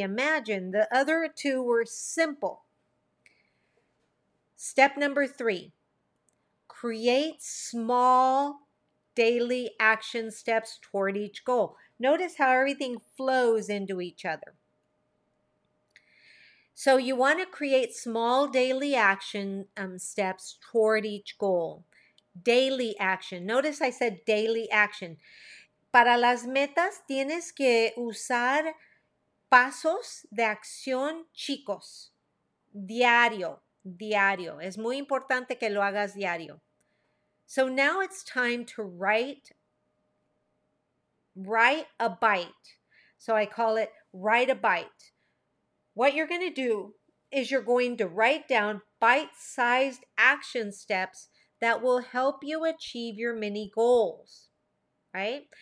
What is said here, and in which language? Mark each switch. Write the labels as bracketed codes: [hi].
[en] Imagine the other two were simple. Step number three, create small daily action steps toward each goal. Notice how everything flows into each other. So you want to create small daily action steps toward each goal. Daily action. Notice I said daily action. [es] Para las metas tienes que usar pasos de acción chicos. Diario, diario. Es muy importante que lo hagas diario. [en] So now it's time to write a bite. So I call it write a bite. What you're going to do is you're going to write down bite-sized action steps that will help you achieve your mini goals, right?